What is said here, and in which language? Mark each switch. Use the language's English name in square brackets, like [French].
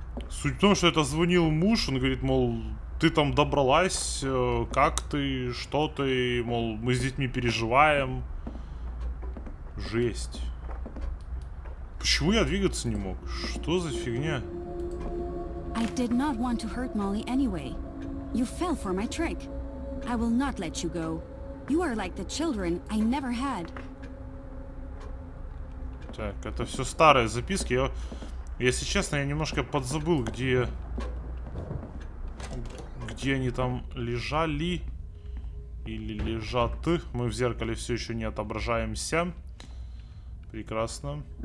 [Russian] Суть в том, что это звонил муж, он говорит, мол, ты там добралась, как ты, что ты, мол, мы с детьми переживаем. Жесть. Почему я двигаться не мог? Что за фигня? [English] I did not want to hurt Molly anyway. You fell for my trick. I will not let you go. You are like the children I never had. [Russian] Так, это все старые записки. Если честно, я немножко подзабыл, где они там лежали или лежат. Мы в зеркале все еще не отображаемся. Прекрасно.